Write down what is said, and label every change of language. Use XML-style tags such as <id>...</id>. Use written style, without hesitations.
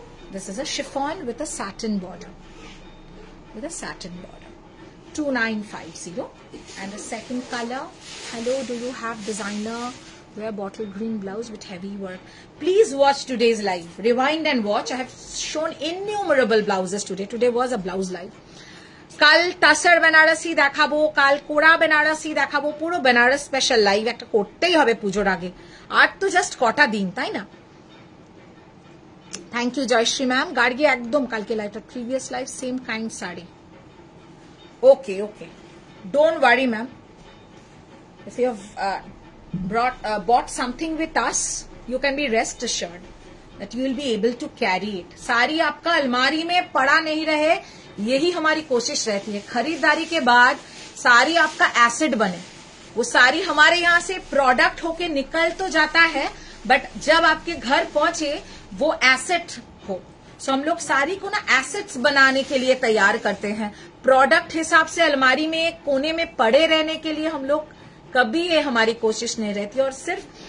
<en>This is a chiffon with a satin border, 2950. And the second color, hello, do you have designer wear bottle green blouse with heavy work? Please watch today's live, rewind and watch. I have shown innumerable blouses today. Today was a blouse live.</en> <bn>কাল তাসার বেনারসি দেখাবো, কাল কোড়া বেনারসি দেখাবো, পুরো Benaras special live একটা করতেই হবে পুজোর আগে। আর তো জাস্ট কটা দিন, তাই না?</bn> <en>thank you</en> <bn>Jayashree ma'am, Gargi একদম কালকে লাইভটা, previous live same kind sari.</bn> <en>Okay okay, don't worry ma'am, if you brought bought something with us, you can be rest assured that you will be able to carry it.</en> <hi>শাড়ি আপকা আলমারি মে পড়া নেই রহে, यही हमारी कोशिश रहती है। खरीदारी के बाद सारी आपका एसेट बने, वो सारी हमारे यहाँ से प्रोडक्ट होके निकल तो जाता है, बट जब आपके घर पहुंचे वो एसेट हो। सो हम लोग सारी को ना एसेट्स बनाने के लिए तैयार करते हैं, प्रोडक्ट हिसाब से अलमारी में कोने में पड़े रहने के लिए हम लोग कभी ये हमारी कोशिश नहीं रहती। और सिर्फ</hi>